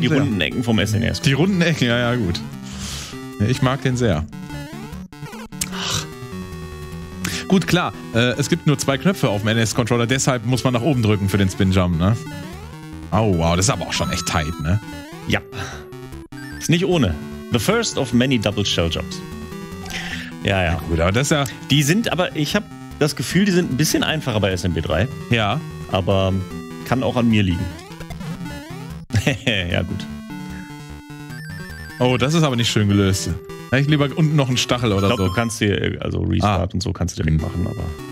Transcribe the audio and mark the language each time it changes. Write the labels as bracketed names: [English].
[German] sehr. Die runden Ecken vom SNES. Die runden Ecken, ja, ja, gut. Ich mag den sehr. Gut, klar, es gibt nur zwei Knöpfe auf dem NES-Controller, deshalb muss man nach oben drücken für den Spin-Jump, ne? Oh, wow, das ist aber auch schon echt tight, ne? Ja. Ist nicht ohne. [English] The first of many double shell jumps. [German] Ja, ja. Gut, aber das ist ja... Die sind aber, ich habe das Gefühl, die sind ein bisschen einfacher bei SMB3. Ja. Aber kann auch an mir liegen. Ja, gut. Oh, das ist aber nicht schön gelöst. Ich lieber unten noch einen Stachel oder so. Ich glaube, du kannst hier, also Restart und so kannst du direkt machen, aber...